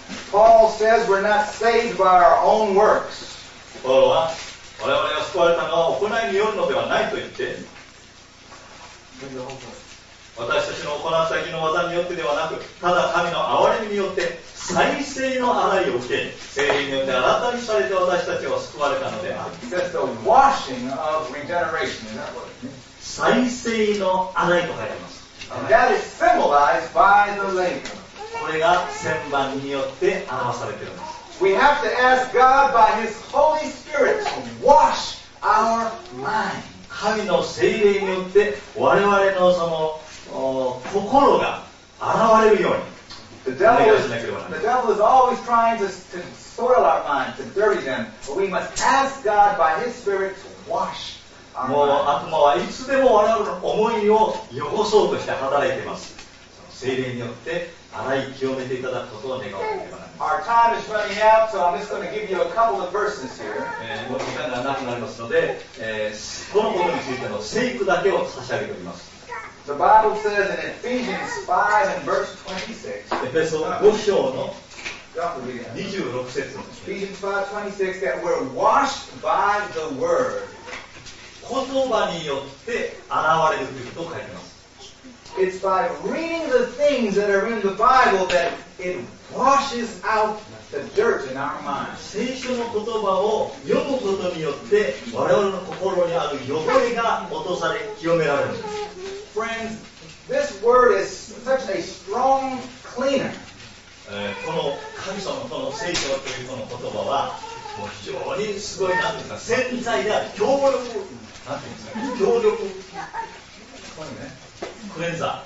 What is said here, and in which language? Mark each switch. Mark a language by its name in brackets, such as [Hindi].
[English] Paul says we're not saved by our own works. [Japanese] ポールは我々が救われたのは行いによるのではないと言って、私たちの行う先の技によってではなく、ただ神の憐れみによって再生の洗いを受け、聖霊によって新たにされて私たちは救われたのである。 [English] That's the washing of regeneration. [Japanese] 再生の洗いと書いてます。 [English] That is symbolized by the labor. [Japanese] これが旋盤によって表されているんです。 [English] We have to ask God by His Holy Spirit to wash our mind. [Japanese] 神の聖霊によって我々のその心が洗われるように。 [English] The devil is always trying to soil our mind, to dirty them. But we must ask God by His Spirit to wash our mind. [Japanese] もう悪魔はいつでも我々の思いを汚そうとして働いています。聖霊によって洗い清めていただくことを願っています。 [English] Our time is running out, so I'm just going to give you a couple of verses here. [Japanese] もう時間がなくなりますので、このことについての聖句だけを差し上げております。 [English] The Bible says in Ephesians 5 and verse 26. [Japanese] エペソ5章の26節です。 [English] Ephesians 5, 26, that we're washed by the word. [Japanese] 言葉によって洗われるというと書いてます。 [English] It's by reading the things that are in the Bible that it washes out the dirt in our mind. [Japanese] 聖書の言葉を読むことによって我々の心にある汚れが落とされ清められる。 [English] Friends, this word is such a strong cleaner. [Japanese] この神様とこの聖書というこの言葉はもう非常にすごい、なんていうか、潜在である強力、なんていうんですか、強力、ここにね、